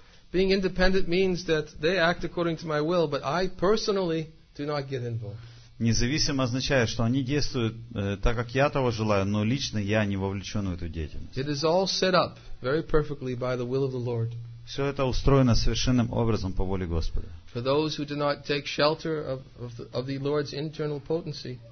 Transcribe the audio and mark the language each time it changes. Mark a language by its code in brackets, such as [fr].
[en] Being independent means that they act according to my will, but I personally do not get involved. [ru] Независимо означает, что они действуют так, как я того желаю, но лично я не вовлечен в эту деятельность. [en] It is all set up very perfectly by the will of the Lord. [ru] Все это устроено совершенным образом по воле Господа. [en] For those who do not take shelter of the Lord's internal potency.